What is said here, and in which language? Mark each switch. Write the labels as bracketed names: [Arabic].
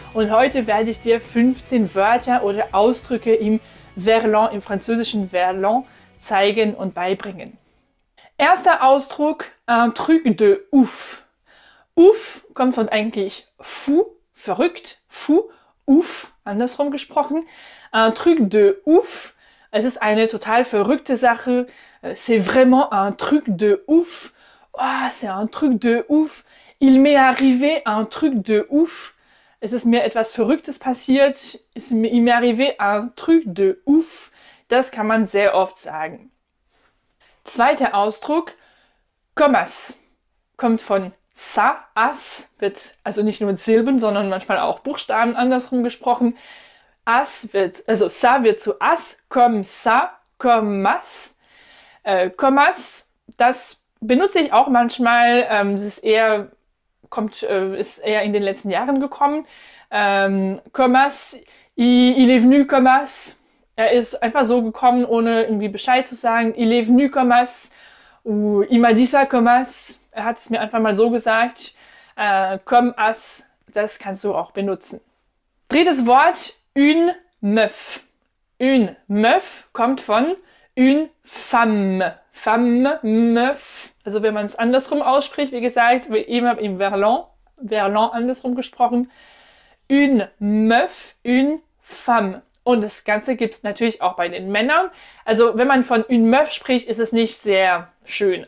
[German] Und heute werde ich dir 15 Wörter oder Ausdrücke im Verlan, im französischen Verlan, zeigen und beibringen. Erster Ausdruck, [French] un truc de ouf. [German] Ouf kommt von eigentlich fou, verrückt, fou, ouf, andersrum gesprochen. [French] Un truc de ouf, [German] es ist eine total verrückte Sache. [French] C'est vraiment un truc de ouf. Oh, c'est un truc de ouf. Il m'est arrivé un truc de ouf. [German] Es ist mir etwas Verrücktes passiert. [French] Il m'est arrivé un truc de ouf. [German] Das kann man sehr oft sagen. Zweiter Ausdruck, commas, kommt von ça, as, wird also nicht nur mit Silben, sondern manchmal auch Buchstaben andersrum gesprochen. As wird, also ça wird zu as, comme ça, commas. Commas, das benutze ich auch manchmal, ist eher in den letzten Jahren gekommen. [French] Commas, il est venu commas. [German] Er ist einfach so gekommen, ohne irgendwie Bescheid zu sagen. [French] Il est venu comme as. Ou il m'a dit ça comme as. [German] Er hat es mir einfach mal so gesagt. [French] Comme as. [German] Das kannst du auch benutzen. Drittes Wort. Une meuf. Une meuf kommt von une femme. [French] Femme, meuf. [German] Also wenn man es andersrum ausspricht, wie gesagt, wie immer im Verlan. [French] Verlan andersrum gesprochen. Une meuf, une femme. [German] Und das Ganze gibt es natürlich auch bei den Männern. Also wenn man von une meuf spricht, ist es nicht sehr schön.